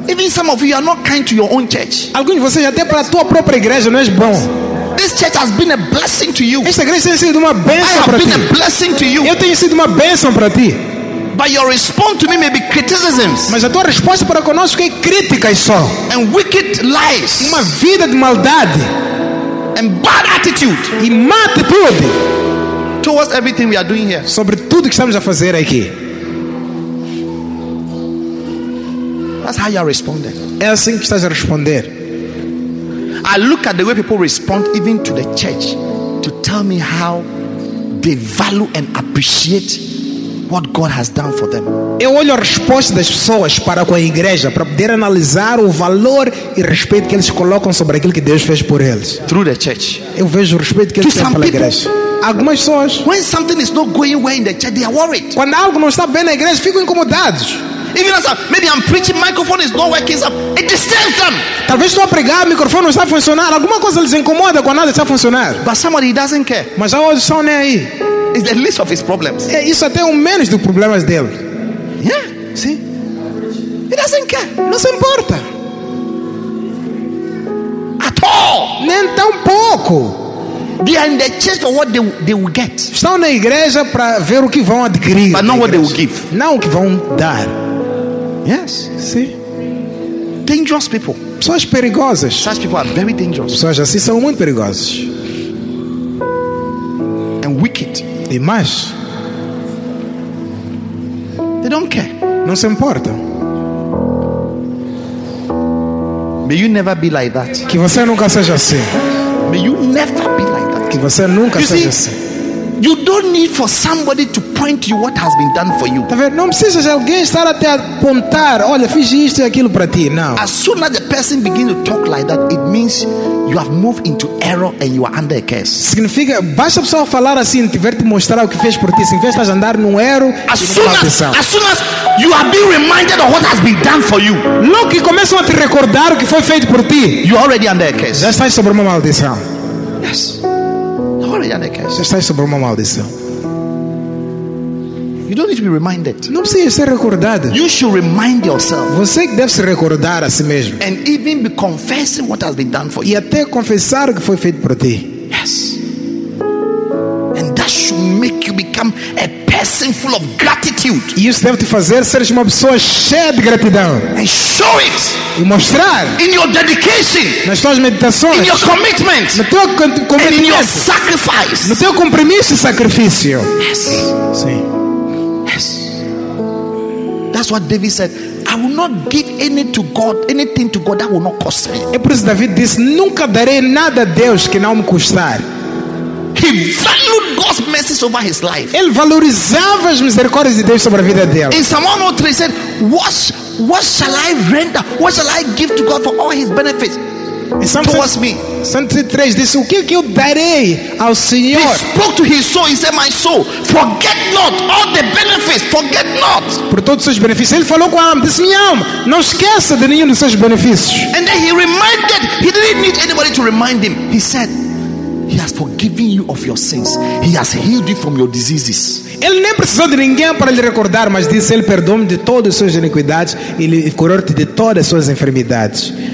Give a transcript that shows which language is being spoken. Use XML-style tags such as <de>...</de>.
<en>Even some of you are not kind to your own church.</en> <pt>Alguns de vocês até para a tua própria igreja não és bom.</pt> <en>This church has been a blessing to you.</en> <pt>Esta igreja tem sido uma bênção para ti.</pt> <en>I have been a blessing to you.</en> <pt>Eu tenho sido uma bênção para ti.</pt> <en>But your response to me may be criticisms.</en> <pt>Mas a tua resposta para conosco é críticas só.</pt> <en>And wicked lies.</en> <pt>Uma vida de maldade.</pt> <en>And bad attitude.</en> <pt>E má atitude.</pt> <en>Towards everything we are doing here.</en> <pt>Sobre tudo que estamos a fazer aqui.</pt> <en>That's how you are responding.</en> <pt>É assim que estás a responder.</pt> <en>I look at the way people respond even to the church to tell me how they value and appreciate what God has done for them.</en> <pt>Eu olho a resposta das pessoas para com a igreja para poder analisar o valor e respeito que eles colocam sobre aquilo que Deus fez por eles.</pt> <en>Through the church.</en> <pt>Eu vejo o respeito que eles têm pela igreja. Algumas pessoas,</pt> <en>when something is not going well in the church, they are worried.</en> <pt>Quando algo não está bem na igreja, ficam incomodados.</pt> <en>Even as maybe I'm preaching, microphone is not working. It disturbs them.</en> <pt>Talvez estou a pregar, o microfone não está a funcionar. Alguma coisa lhes incomoda quando nada está a funcionar.</pt> <en>But somebody doesn't care.</en> <pt>Mas já outros são nem aí.</pt> <en>It's the least of his problems.</en> <pt>É isso até o menos dos problemas dele.</pt> <en>Yeah,</en> <pt>sim.</pt> <en>He doesn't care.</en> <pt>Não se importa.</pt> <en>At all.</en> <pt>Nem tão pouco.</pt> <en>They are in the church for what they will get.</en> <pt>Estão na igreja para ver o que vão adquirir.</pt> <en>But not what they will give.</en> <pt>Não o que vão dar.</pt> <en>Yes, see. Dangerous people.</en> <pt>Pessoas perigosas.</pt> <en>Such people are very dangerous.</en> <pt>Pessoas assim são muito perigosas.</pt> <en>And wicked.</en> <pt>E mais.</pt> <en>They don't care.</en> <pt>Não se importam.</pt> <en>May you never be like that.</en> <pt>Que você nunca seja assim.</pt> <en>May you never be like that.</en> <pt>Que você nunca</pt> <en>you</en> <pt>seja</pt> <en>see,</en> <pt>assim.</pt> <en>You don't need for somebody to point you what has been done for you.</en> <pt>Tá vendo? Não precisa de alguém estar até apontar. Olha, fiz isto e aquilo para ti. Não.</pt> <en>As soon as the person begins to talk like that, it means you have moved into error and you are under a curse.</en> <pt>Significa, basta a pessoa falar assim, tiver te mostrar o que fez por ti, se tiver estás a andar num erro.</pt> <en>As soon as you are being reminded of what has been done for you,</en> <pt>logo que começam a te recordar o que foi feito por ti,</pt> <en>you are already under a curse.</en> <pt>Já estás sobre uma maldição.</pt> <en>Yes.</en> <pt>Você está sobre uma maldição.</pt> <en>You don't need to be reminded.</en> <pt>Não precisa ser recordado.</pt> <en>You should remind yourself.</en> <pt>Você deve se recordar a si mesmo.</pt> <en>And even be confessing what has been done for you.</en> <pt>E até confessar o que foi feito por ti.</pt> <en>Yes. And that should make you become a person full of gratitude.</en> <pt>E isso deve te fazer ser uma pessoa cheia de gratidão.</pt> <en>And show it.</en> <pt>E mostrar.</pt> <en>In your dedication.</en> <pt>Nas tuas meditações.</pt> <en>In your commitment.</en> <pt>No teu comprometimento.</pt> <en>And in your sacrifice.</en> <pt>No teu compromisso e sacrifício.</pt> <en>Yes.</en> <pt>Sim.</pt> <en>Yes. That's what David said. I will not give anything to God that will not cost me.</en> <pt>É por isso David disse, nunca darei nada a Deus que não me custar.</pt> <en>He valued God's mercies over his life.</en> <pt>Ele valorizava as misericórdias de Deus sobre a vida dele.</pt> <en>In Psalm 103, he said, what shall I render? What shall I give to God for all his benefits towards me?</en> <pt>Psalm 103 disse, o que eu darei ao Senhor?</pt> <en>He spoke to his soul. He said, my soul, forget not all the benefits. Forget not.</en> <pt>Por todos os seus benefícios. Ele falou com a alma, disse, minha alma, não esqueça de nenhum dos seus benefícios.</pt> <en>And then he reminded, he didn't need anybody to remind him. He said, he has forgiven you of your sins. He has healed you from your diseases.</en> <pt>Ele nem precisou de ninguém para lhe recordar, mas disse, ele perdoou-me de todas as suas iniquidades e lhe curou-te de todas as suas enfermidades.</pt>